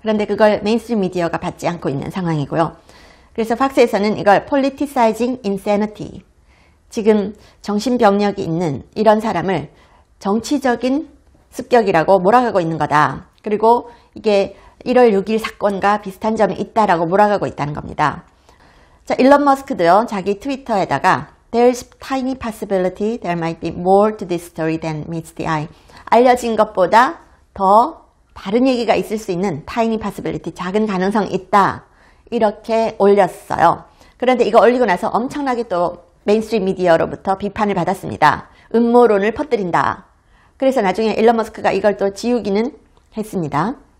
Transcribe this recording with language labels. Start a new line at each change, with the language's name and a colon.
Korean: 그런데 그걸 메인스트림 미디어가 받지 않고 있는 상황이고요. 그래서 팍스에서는 이걸
English: politicizing insanity,
Korean: 지금 정신병력이 있는 이런 사람을 정치적인 습격이라고 몰아가고 있는 거다. 그리고 이게 1월 6일 사건과 비슷한 점이 있다라고 몰아가고 있다는 겁니다. 자, 일론 머스크도요, 자기 트위터에다가
English: There's tiny possibility there might be more to this story than meets the eye.
Korean: 알려진 것보다 더 다른 얘기가 있을 수 있는
English: tiny possibility,
Korean: 작은 가능성 있다. 이렇게 올렸어요. 그런데 이거 올리고 나서 엄청나게 또 메인스트림 미디어로부터 비판을 받았습니다. 음모론을 퍼뜨린다. 그래서 나중에 일론 머스크가 이걸 또 지우기는 했습니다.